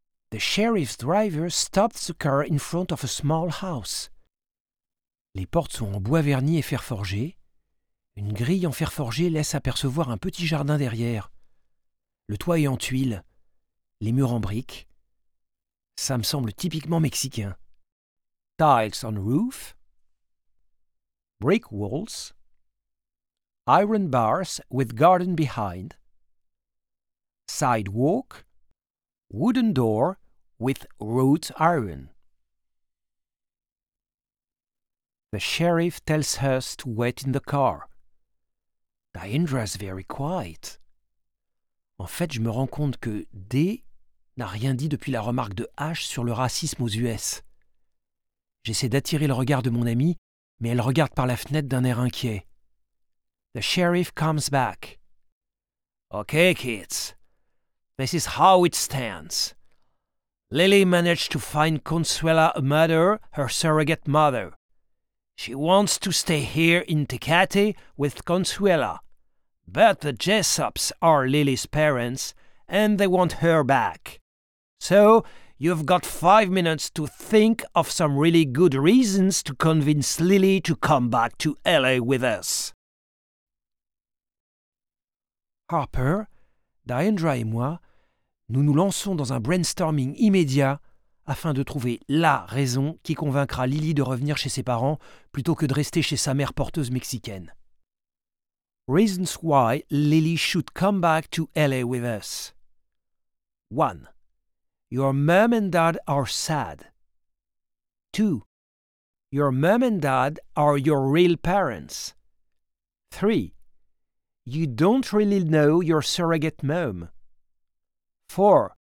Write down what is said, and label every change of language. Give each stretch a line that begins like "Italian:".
English: The sheriff's driver stops the car in front of a small house.
French: Les portes sont en bois verni et fer forgé. Une grille en fer forgé laisse apercevoir un petit jardin derrière. Le toit est en tuiles, les murs en briques. Ça me semble typiquement mexicain.
English: Tiles on roof, brick walls, iron bars with garden behind, sidewalk, wooden door with wrought iron. The sheriff tells us to wait in the car. Diandra's very quiet.
French: En fait, je me rends compte que D n'a rien dit depuis la remarque de H sur le racisme aux US. J'essaie d'attirer le regard de mon amie, mais elle regarde par la fenêtre d'un air inquiet.
English: The sheriff comes back. Okay, kids. This is how it stands. Lily managed to find Consuela a mother, her surrogate mother. She wants to stay here in Tecate with Consuela. But the Jessops are Lily's parents, and they want her back. So, you've got 5 minutes to think of some really good reasons to convince Lily to come back to LA with us.
French: Harper, Diandra et moi, nous nous lançons dans un brainstorming immédiat afin de trouver la raison qui convaincra Lily de revenir chez ses parents plutôt que de rester chez sa mère porteuse mexicaine.
English: Reasons why Lily should come back to LA with us. 1. Your mom and dad are sad. 2. Your mom and dad are your real parents. 3. You don't really know your surrogate mom. 4.